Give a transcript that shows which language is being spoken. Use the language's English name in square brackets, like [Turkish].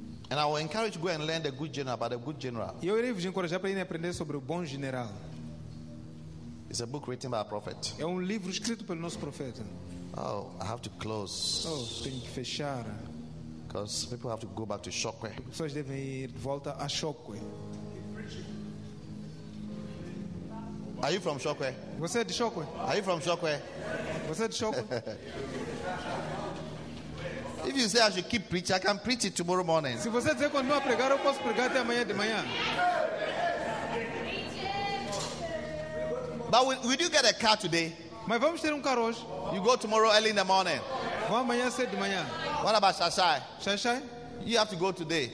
[English] And I will encourage you to go and learn the good general about a good general. [Portuguese] Eu irei vos encorajar para ir aprender sobre o bom general. [English] It's a book written by a prophet. [Portuguese] É livro escrito pelo nosso profeta. [English] Oh, I have to close. [Portuguese] Oh, tenho que fechar. [English] Because people have to go back to Shokwe. [Portuguese] Pessoas devem ir de volta a Shokwe. [English] Are you from Shokwe? [Portuguese] Você é de Shokwe? [English] Are you from Shokwe? [Portuguese] Você é de Shokwe? [English] If you say I should keep preaching, I can preach it tomorrow morning. [Portuguese] Se você dizer quando vai pregar, eu posso pregar até amanhã de manhã. [English] But will you get a car today? [Portuguese] Mas vamos ter carro hoje. [English] You go tomorrow early in the morning. [Portuguese] Vamos amanhã cedo de manhã. [English] What about Shashai? [Portuguese] Shashai? [English] You have to go today.